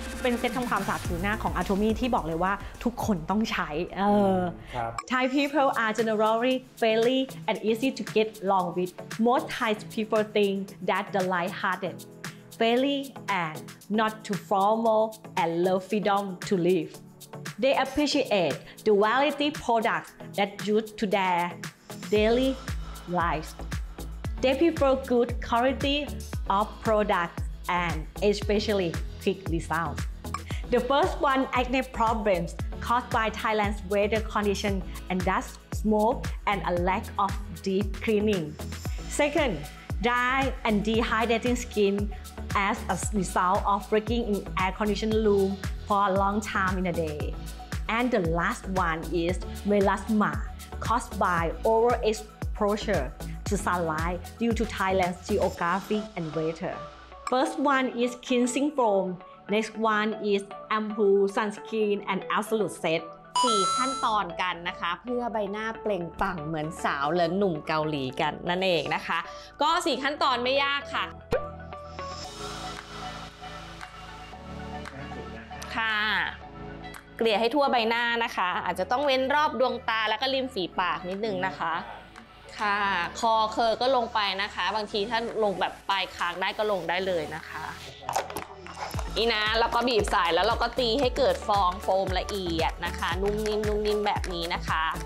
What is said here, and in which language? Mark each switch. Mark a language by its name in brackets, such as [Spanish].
[Thai] เป็นเซตทำความสะอาดผิวหน้าของ Atomy ที่บอกเลยว่าทุกคนต้องใช้ [English] Thai people are generally friendly and easy to get along with most Thai people think that the light-hearted friendly and not too formal and love freedom to live they appreciate the variety products that used to their dailyLife. They prefer good quality of products and especially quick results. The first one, acne problems caused by Thailand's weather condition and dust, smoke, and a lack of deep cleaning. Second, dry and dehydrating skin as a result of working in air conditioned room for a long time in a day. And the last one is melasma caused by overexposure. To sunlight due to Thailand's geography and weather. First one is cleansing foam. Next one is ampoule sunscreen and absolute set. [Thai] 4 ขั้นตอนกันนะคะเพื่อใบหน้าเปล่งปลั่งเหมือนสาวหรือหนุ่มเกาหลีกันนั่นเองนะคะก็4ขั้นตอนไม่ยากค่ะ ค่ะเกลี่ยให้ทั่วใบหน้านะคะอาจจะต้องเว้นรอบดวงตาแล้วก็ริมฝีปากนิดนึงนะคะค่ะคอเคอร์ก็ลงไปนะคะบางทีถ้าลงแบบปลายคางได้ก็ลงได้เลยนะคะนี่นะแล้วก็บีบสายแล้วเราก็ตีให้เกิดฟองโฟมละเอียดนะคะนุ่มนิ่มนุ่มนิ่มแบบนี้นะคะ